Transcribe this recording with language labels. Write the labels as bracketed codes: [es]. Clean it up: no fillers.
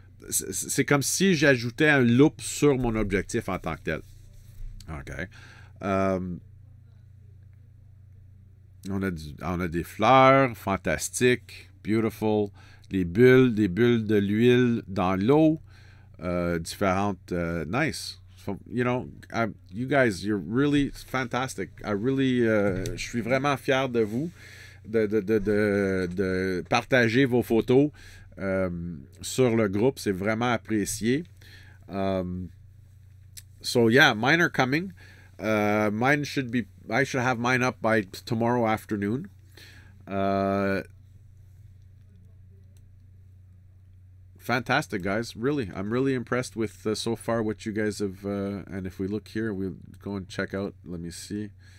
[fr] C'est comme si j'ajoutais un loop sur mon objectif en tant que tel. OK. On a des fleurs. Fantastique. [en] Beautiful. [fr] Des bulles de l'huile dans l'eau, différentes, [en] nice. So, you know, you guys, you're really fantastic. [fr] Je suis vraiment fier de vous, de partager vos photos sur le groupe. C'est vraiment apprécié. [en] So yeah, mine are coming. Mine should be, I should have mine up by tomorrow afternoon. Fantastic, guys. Really, I'm really impressed with so far what you guys have. And if we look here, we'll go and check out. Let me see.